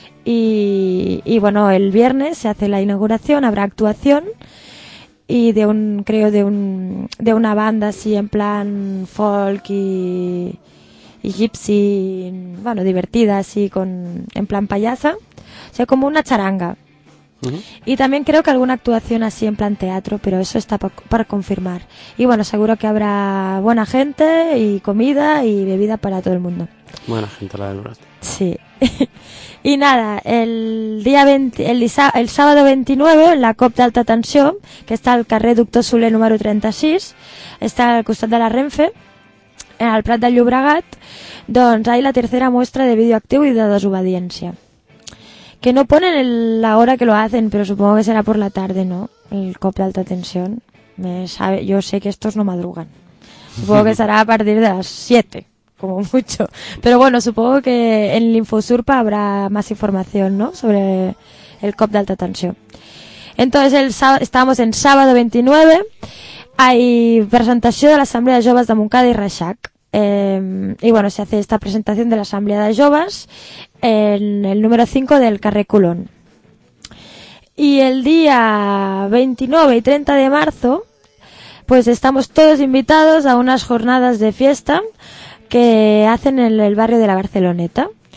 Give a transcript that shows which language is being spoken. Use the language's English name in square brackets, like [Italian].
[Spanish] Y bueno, el viernes se hace la inauguración, habrá actuación y de una banda así en plan folk y gypsy, bueno, divertida así con en plan payasa, o sea, como una charanga. Uh-huh. Y también creo que alguna actuación así en plan teatro, pero eso está para confirmar. Y bueno, seguro que habrá buena gente y comida y bebida para todo el mundo. Buena gente la del Brot. Sí. Y nada, el sábado 29, [Catalan] la COP d'Alta Tensió, que està al carrer Doctor Soler número 36, està al costat de la Renfe, al Prat de Llobregat, doncs hi ha la tercera mostra de vídeo actiu i de desobediència. [Spanish] Que no ponen la hora que lo hacen, pero supongo que será por la tarde, ¿no? El COP d'Alta Tensió. Yo sé que estos no madrugan. Supongo que será a partir de las 7. Como mucho. Pero bueno, supongo que en el Infosurpa habrá más información, ¿no? Sobre el COP d'Alta Tensió. Entonces, estamos en sábado 29. Hay presentación de la Asamblea de Joves de Montcada y Reixac. Y bueno, se hace esta presentación de la Asamblea de Joves en el número 5 del Carrer Colón. Y el día 29 y 30 de marzo, pues estamos todos invitados a unas jornadas de fiesta que hacen en el barrio de la Barceloneta.